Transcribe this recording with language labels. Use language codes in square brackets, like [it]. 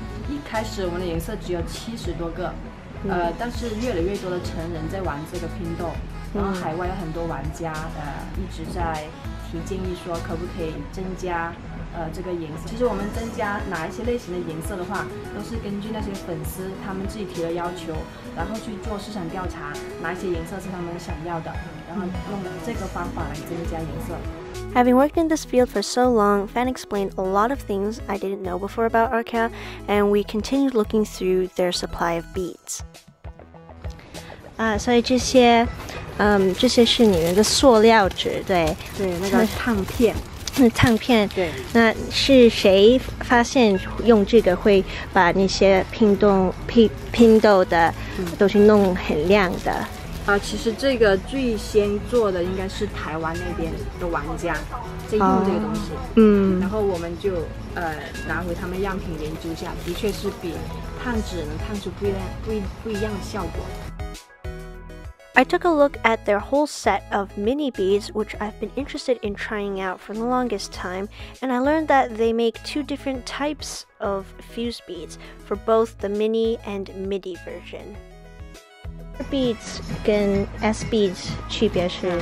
[zh] 一开始我们的颜色只有70多个，但是越来越多的成人在玩这个拼豆，然后海外有很多玩家一直在提建议说可不可以增加。这个颜色，其实我们增加哪一些类型的颜色的话，都是根据那些粉丝他们自己提的要求，然后去做市场调查，哪一些颜色是他们想要的，然后用这个方法来增加颜色。 [en] Having worked in this field for so long, Fan explained a lot of things I didn't know before about Artkal, and we continued looking through their supply of beads. [zh] 所以这些是你们的塑料纸，对，那个烫片。那烫片，对，那是谁发现用这个会把那些拼豆的都是弄很亮的？其实这个最先做的应该是台湾那边的玩家在用这个东西，然后我们就拿回他们样品研究一下，的确是比烫纸能烫出不一样的效果。 [en] I took a look at their whole set of mini beads, which I've been interested in trying out for the longest time, and I learned that they make two different types of fused beads for both the mini and midi version. R beads and S beads [zh] 区别是